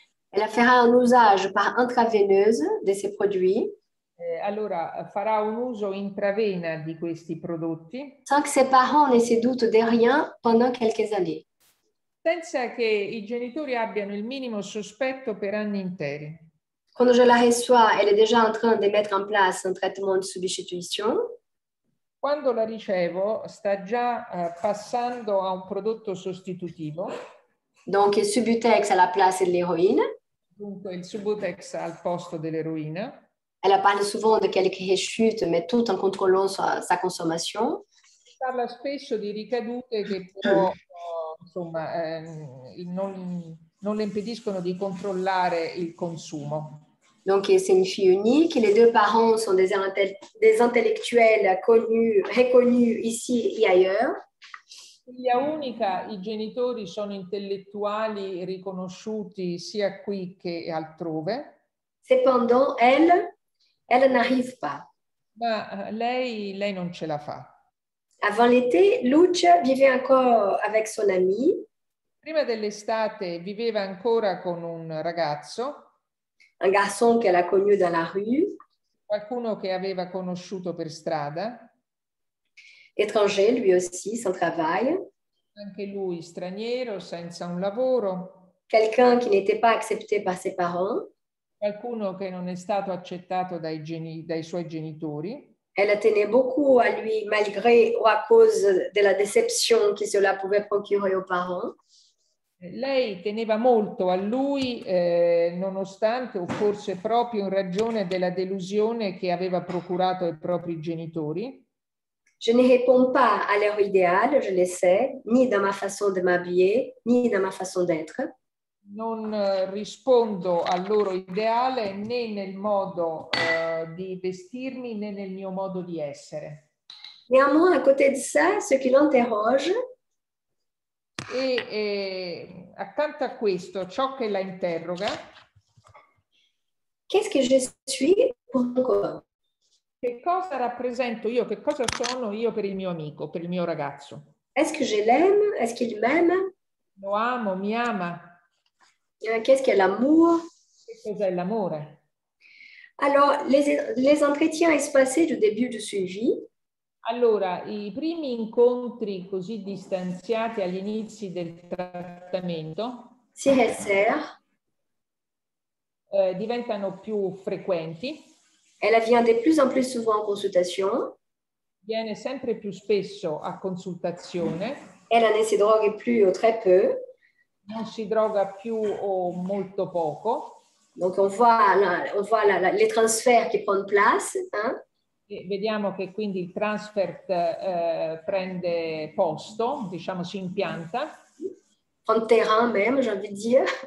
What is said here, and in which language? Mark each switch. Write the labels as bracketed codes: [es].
[fr] Elle fera un usage par intraveineuse de ses produits. [it] Allora farà un uso intravena di questi prodotti. [fr] Sans que ses parents ne se doutent de rien pendant quelques années. [it] Senza che i genitori abbiano il minimo sospetto per anni interi. Quando [fr] je la reçois, elle est déjà en train de mettre en place un traitement de substitution. [it] Quando la ricevo, sta già passando a un prodotto sostitutivo. [fr] Donc, il Subutex à la place de l'héroïne. [it] Dunque, il Subutex al posto dell'eroina. [fr] Elle parle souvent de quelques rechutes, mais tout en contrôlant sa consommation. [it] Parla spesso di ricadute che però, insomma, non le impediscono di controllare il consumo. [fr] Donc, c'est une fille unique. Les deux parents sont des intellectuels connus, reconnus ici et ailleurs. [it] Figlia unica, i genitori sono intellettuali riconosciuti sia qui che altrove. [fr] Cependant, elle n'arrive pas. [it] Ma lei non ce la fa. [fr] Avant l'été, Lucia vivait encore avec son ami. [it] Prima dell'estate viveva ancora con un ragazzo. [fr] Un garçon qu'elle a connu dans la rue. [it] Qualcuno che aveva conosciuto per strada. [fr] Étranger, lui aussi, sans travail. [it] Anche lui, straniero, senza un lavoro. [fr] Quelqu'un qui n'était pas accepté par ses parents. [it] Qualcuno che non è stato accettato dai suoi genitori. [fr] Elle tenait beaucoup à lui, malgré ou à cause de la déception que cela pouvait procurer aux parents. [it] Lei teneva molto a lui, nonostante o forse proprio in ragione della delusione che aveva procurato ai propri genitori. [fr] Je ne réponds pas à leur idéal, je le sais, ni dans ma façon de m'habiller, ni dans ma façon d'être. [it] Non rispondo al loro ideale né nel modo di vestirmi né nel mio modo di essere. [fr] Néanmoins, à côté de ça, ce qui l'interroge. [it] E accanto a questo, ciò che la interroga. [fr] Qu'est-ce que je suis pour moi? [it] Che cosa rappresento io? Che cosa sono io per il mio amico, per il mio ragazzo? [fr] Est-ce que je l'aime? Est-ce qu'il m'aime? [it] Lo amo, mi ama. [fr] Qu'est-ce que l'amour? [it] Che cos'è l'amore? [fr] Alors, les entretiens espacés du début du suivi. [it] Allora, i primi incontri così distanziati agli inizi del trattamento [fr] si resserre, [it] diventano più frequenti. [fr] Elle vient de plus en plus souvent en consultation. [it] viene sempre più spesso a consultazione. [fr] Elle ne [it] si droga più o [fr] très peu. [it] Non si droga più o molto poco. [fr] Donc on voit la, la, les transferts qui prennent place. Hein? [it] E vediamo che quindi il transfert prende posto, diciamo si impianta. [fr] Prend terrain même, j'ai envie de dire.